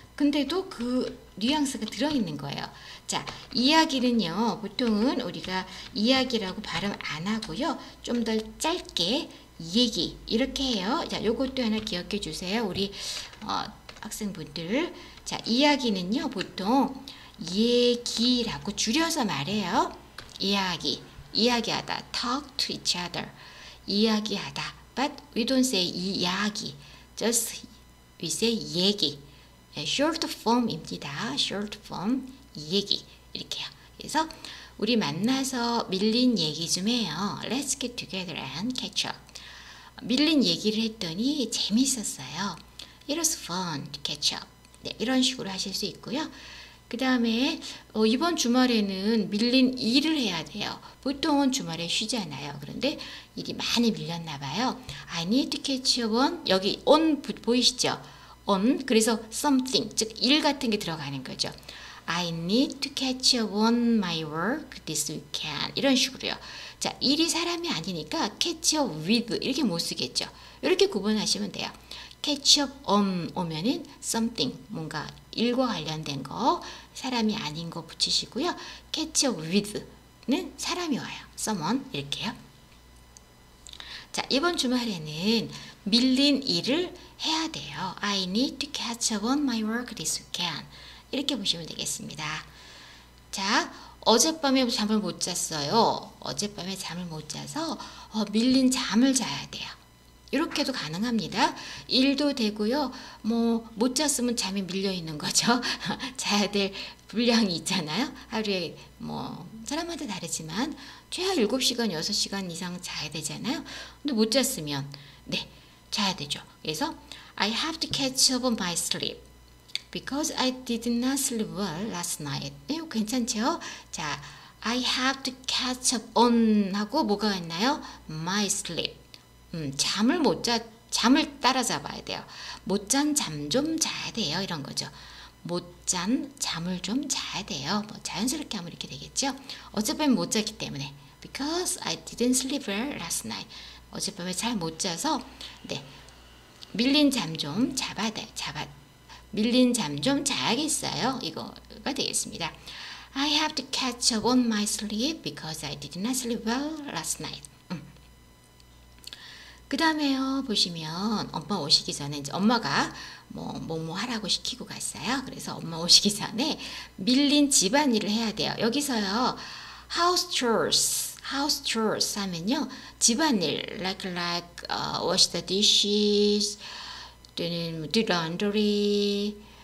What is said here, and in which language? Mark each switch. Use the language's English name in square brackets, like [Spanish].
[Korean] 근데도 그 뉘앙스가 들어있는 거예요. 자, 이야기는요, 보통은 우리가 이야기라고 발음 안 하고요, 좀 더 짧게 얘기 이렇게 해요. 자, 요것도 하나 기억해 주세요. 우리 학생분들. 자, 이야기는요, 보통 얘기라고 줄여서 말해요. 이야기, 이야기하다, [English] talk to each other, [Korean] 이야기하다. [English] But we don't say 이야기, just we say 얘기. [Korean] short form입니다. short form 얘기 이렇게요. 그래서 우리 만나서 밀린 얘기 좀 해요. [English] Let's get together and catch up. [Korean] 밀린 얘기를 했더니 재밌었어요. [English] It was fun to catch up. [Korean] 네, 이런 식으로 하실 수 있고요. 그다음에 이번 주말에는 밀린 일을 해야 돼요. 보통은 주말에 쉬잖아요. 그런데 일이 많이 밀렸나 봐요. [English] I need to catch on. [Korean] 여기 on 보이시죠? [English] on. [Korean] 그래서 something, 즉일 같은 게 들어가는 거죠. [English] I need to catch on my work this weekend. [Korean] 이런 식으로요. 자, 일이 사람이 아니니까 catch up with 이렇게 못 쓰겠죠. 이렇게 구분하시면 돼요. catch up on 오면은 something, 뭔가 일과 관련된 거, 사람이 아닌 거 붙이시고요. catch up with는 사람이 와요. someone 이렇게요. 자, 이번 주말에는 밀린 일을 해야 돼요. [English] I need to catch up on my work this weekend. [Korean] 이렇게 보시면 되겠습니다. 자, 어젯밤에 잠을 못 잤어요. 어젯밤에 잠을 못 자서 밀린 잠을 자야 돼요. 이렇게도 가능합니다. 일도 되고요. 뭐못 잤으면 잠이 밀려 있는 거죠. 자야 될 분량이 있잖아요. 하루에 뭐 사람마다 다르지만 최하 7시간, 6시간 이상 자야 되잖아요. 근데 못 잤으면 네, 자야 되죠. 그래서 [English] I have to catch up on my sleep. Because I did not sleep well last night. [Korean] 네, 괜찮죠? 자, [English] I have to catch up on [Korean] 하고 뭐가 있나요? [English] My sleep. [Korean] 잠을 못 자, 잠을 따라잡아야 돼요. 못잔잠좀 자야 돼요. 이런 거죠. 못잔 잠을 좀 자야 돼요. 뭐 자연스럽게 하면 이렇게 되겠죠? 어젯밤에 못 잤기 때문에. [English] Because I didn't sleep well last night. [Korean] 어젯밤에 잘못 자서, 네, 밀린 잠좀 잡아야 돼요. 밀린 잠좀 자야겠어요. 이거가 되겠습니다. [English] I have to catch up on my sleep because I did not sleep well last night. [Korean] 그다음에요. 보시면 엄마 오시기 전에 이제 엄마가 뭐뭐뭐 하라고 시키고 갔어요. 그래서 엄마 오시기 전에 밀린 집안일을 해야 돼요. 여기서요. House chores 하면요. [English] 집안일 wash the dishes, do laundry.